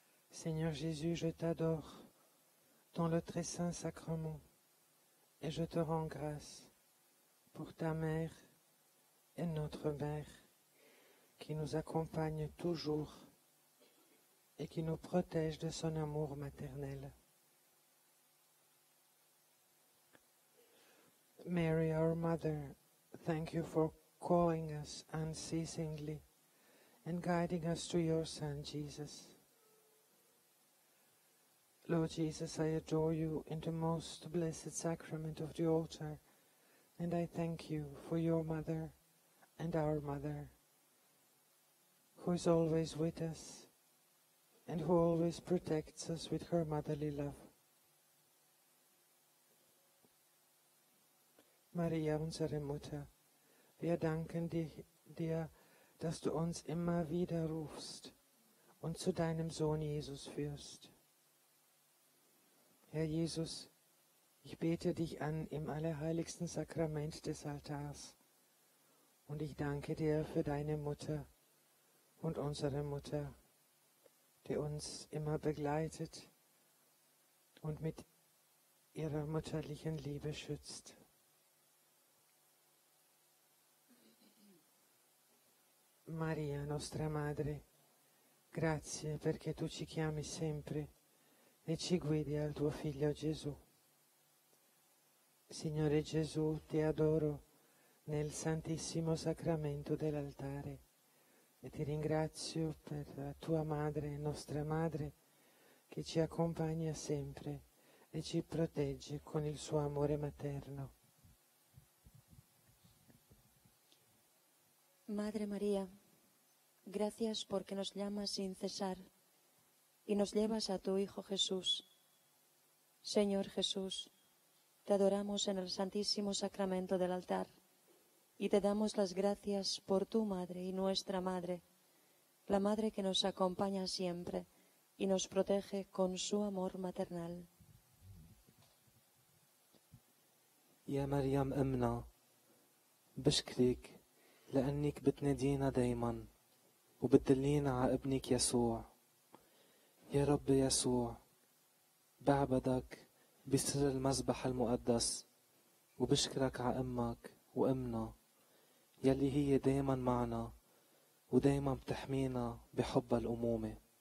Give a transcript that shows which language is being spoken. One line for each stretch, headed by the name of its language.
French: Seigneur Jésus, je t'adore dans le très saint sacrement et je te rends grâce pour ta mère et notre mère qui nous accompagne toujours et qui nous protège de son amour maternel.
English: Mary, our mother, thank you for calling us unceasingly and guiding us to your Son, Jesus. Lord Jesus, I adore you in the most blessed sacrament of the altar, and I thank you for your mother and our mother, who is always with us and who always protects us with her motherly love.
German: Maria, unsere Mutter, wir danken dir, dass du uns immer wieder rufst und zu deinem Sohn Jesus führst. Herr Jesus, ich bete dich an im allerheiligsten Sakrament des Altars und ich danke dir für deine Mutter und unsere Mutter, die uns immer begleitet und mit ihrer mütterlichen Liebe schützt.
Italian: Maria, nostra madre, grazie perché tu ci chiami sempre e ci guidi al tuo figlio Gesù. Signore Gesù, ti adoro nel Santissimo Sacramento dell'altare e ti ringrazio per la tua madre, nostra madre, che ci accompagna sempre e ci protegge con il suo amore materno.
Spanish: Madre Maria, gracias porque nos llamas sin cesar y nos llevas a tu Hijo Jesús. Señor Jesús, te adoramos en el Santísimo Sacramento del altar y te damos las gracias por tu Madre y nuestra Madre, la Madre que nos acompaña siempre y nos protege con su amor maternal.
Arabic: يا مريم أمنا بشكرك لأنك بتنادينا دايما وبتدلينا على ابنك يسوع. يا رب يسوع، بعبدك بسر المذبح المقدس وبشكرك على أمك وأمنا يلي هي دايما معنا ودايما بتحمينا بحب الأمومة.